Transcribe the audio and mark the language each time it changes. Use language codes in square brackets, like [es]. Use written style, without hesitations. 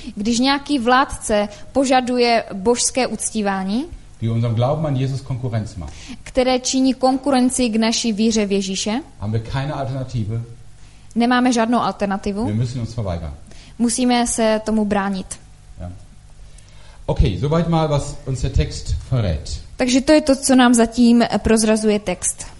[cs] Když nějaký vládce požaduje božské uctívání, [de] die unserem Glauben an Jesus Konkurrenz macht. [cs] Které činí konkurenci k naší víře v Ježíše. [de] Haben wir keine Alternative? [cs] Nemáme žádnou alternativu. [de] Wir müssen uns verweigern. [cs] Musíme se tomu bránit. [de] Ja. Okay, soweit mal, was uns der Text verrät. [cs] Takže to je to, co nám zatím prozrazuje text.